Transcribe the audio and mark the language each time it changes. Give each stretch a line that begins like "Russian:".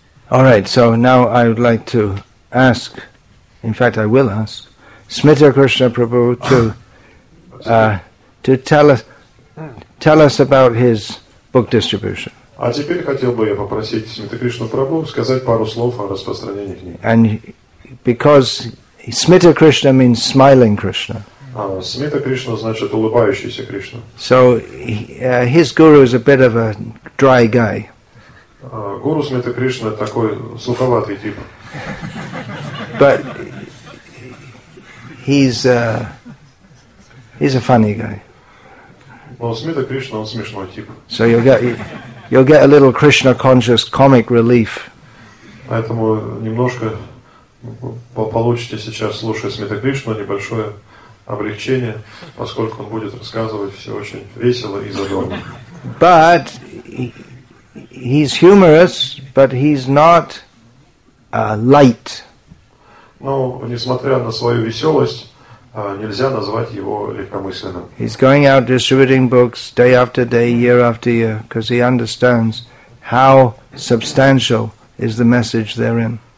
English: All right, so now I would like to ask In fact, I will ask Smita Krishna Prabhu to tell us about his book distribution.
Russian: А теперь хотел бы я попросить Смита Кришну Прабху сказать пару слов о распространении книг.
English: And because Smita Krishna means smiling Krishna.
Russian: Смита Кришна значит улыбающийся Кришна.
English: So his guru is a bit of a dry guy.
Russian: Гуру Смита Кришна такой суховатый тип.
English: But he's a funny guy.
Russian: Well, Смита Кришна он смешной тип.
English: So you'll get a little Krishna conscious comic relief.
Russian: Поэтому немножко получите сейчас, слушая Смита Кришну, небольшое облегчение, поскольку он будет рассказывать все очень весело и задорно.
English: But he's humorous, but he's not light.
Russian: Но несмотря на свою веселость, нельзя назвать его легкомысленным.
English: He's going out distributing books day after day, year after year, because he understands how substantial is the message therein.